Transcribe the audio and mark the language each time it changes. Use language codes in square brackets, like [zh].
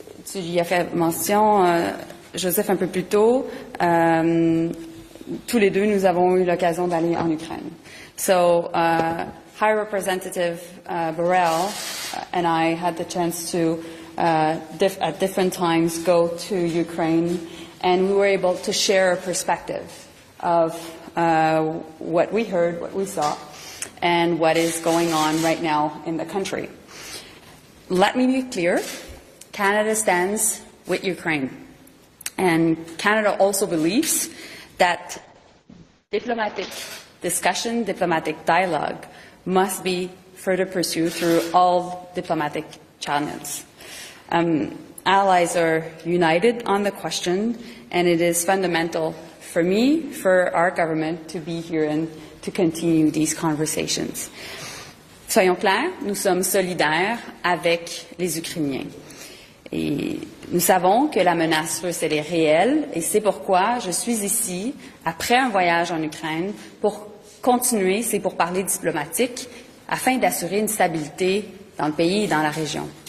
[fr] Tu y as fait mention, Joseph, un peu plus tôt. Tous les deux, nous avons eu l'occasion d'aller en Ukraine. [en] So, High Representative Borrell and I had the chance to, at different times, go to Ukraine, and we were able to share a perspective of what we heard, what we saw, and what is going on right now in the country. Let me be clear, Canada stands with Ukraine. And Canada also believes that diplomatic discussion, diplomatic dialogue must be further pursued through all diplomatic channels. Allies are united on the question, and it is fundamental for me, for our government, to be here and to continue these conversations. [fr] Soyons clairs, nous sommes solidaires avec les Ukrainiens. Et nous savons que la menace russe, elle est réelle, et c'est pourquoi je suis ici, après un voyage en Ukraine, pour continuer ces pourparlers diplomatiques, afin d'assurer une stabilité dans le pays et dans la région.